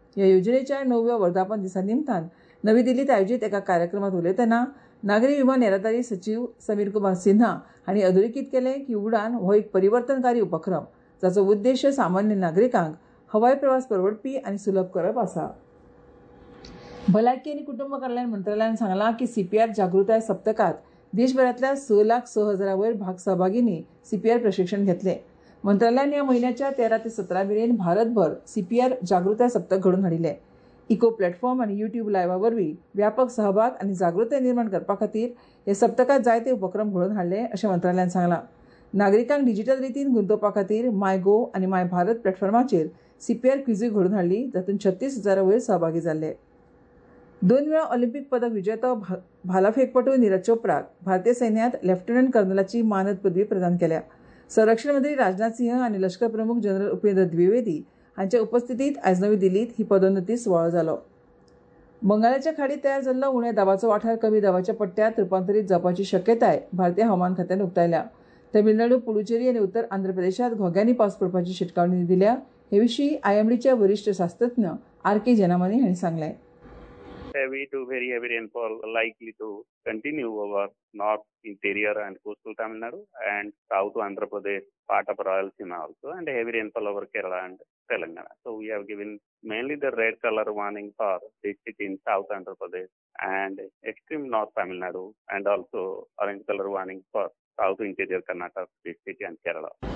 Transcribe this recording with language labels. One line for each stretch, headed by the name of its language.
Goan Konkani: ह्या योजनेच्या 9व्या वर्धापन दिसा निमतान नवी दिल्लीत आयोजित एका कार्यक्रमात उलयतना नागरी विमान येरादारी सचीव समीर कुमार सिन्हा हांणी अधोरेखीत केलें की उडान हो एक परिवर्तनकारी उपक्रम जाचो उद्देश सामान्य नागरिकांक हवाई प्रवास परवडपी आनी सुलभ करप आसा. भलायकी आनी कुटुंब कल्याण मंत्रालयान सांगला की CPR जागृताय सप्तकात देशभरातल्या 6,00,000 वयर भाग सहभागींनी CPR प्रशिक्षण घेतले. मंत्रालयान ह्या महिन्याच्या 13 ते 17 मेरेन भारतभर CPR जागृताय सप्तक घडून हाडिले. इको प्लॅटफॉर्म आनी युट्यूब लायव्हा वरवीं व्यापक सहभाग आनी जागृताय निर्माण करपा खातीर ह्या सप्तकात जायते उपक्रम घडून हाडले अशें मंत्रालयान सांगलां. नागरिकांक डिजिटल रितीन गुंतोवपा खातीर माय गो आनी माय भारत प्लॅटफॉर्माचेर CPR क्विझूय घडून हाडली, जातूंत 36,000 वयर सहभागी जाल्ले. 2 वेळा ऑलिंपिक पदक विजेतो भालाफेकपटू निरज चोप्राक भारतीय सैन्यात लेफ्टनंट कर्नलाची मानद पदवी प्रदान केल्या. संरक्षण मंत्री राजनाथ सिंह आनी लष्कर प्रमुख जनरल उपेंद्र द्विवेदी हांच्या उपस्थितीत आयज नवी दिल्लीत ही पदोन्नती सुवाळो जालो. बंगालाच्या खाडीत तयार जाल्लो उणे दाबाचो वाठार कमी दाबाच्या पट्ट्यात रुपांतरीत जावपाची शक्यताय भारतीय हवामान खात्यान उक्तायल्या. तमिळनाडू, पुडुचेरी आनी उत्तर आंध्र प्रदेशात घोग्यांनी पावस पडपाची शिटकावणी दिल्या. हे विशीं IMD वरिश्ठ शास्त्रज्ञ RK जेनामनी हांणी सांगले.
English: Heavy to very heavy rainfall likely to continue over north interior and coastal Tamil Nadu and south Andhra Pradesh, part of Rayalaseema also, and heavy rainfall over Kerala and Telangana. So we have given mainly the red color warning for districts in south Andhra Pradesh and extreme north Tamil Nadu, and also orange color warning for south interior Karnataka district and Kerala.